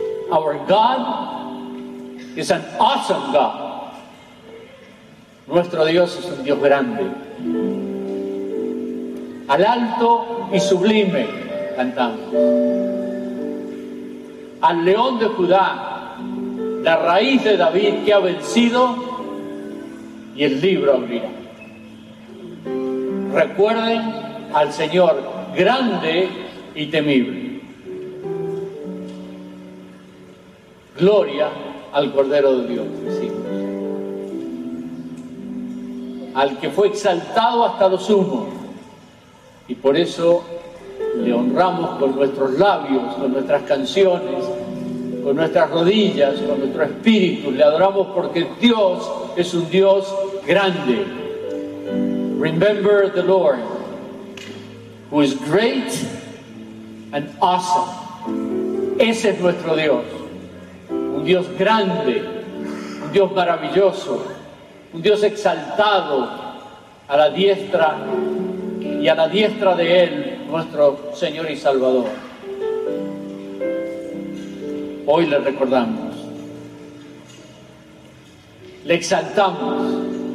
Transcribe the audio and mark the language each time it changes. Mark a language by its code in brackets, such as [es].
[en] Our God is an awesome God. [es] Nuestro Dios es un Dios grande. Al alto y sublime, cantamos. Al león de Judá, la raíz de David que ha vencido y el libro abrirá. Recuerden al Señor, grande y temible. Gloria al Cordero de Dios, decimos. Al que fue exaltado hasta lo sumo. Y por eso le honramos con nuestros labios, con nuestras canciones, con nuestras rodillas, con nuestro espíritu. Le adoramos porque Dios es un Dios grande. [en] Remember the Lord, who is great and awesome. [es] Ese es nuestro Dios. Un Dios grande, un Dios maravilloso, un Dios exaltado a la diestra y a la diestra de Él, nuestro Señor y Salvador. Hoy le recordamos, le exaltamos.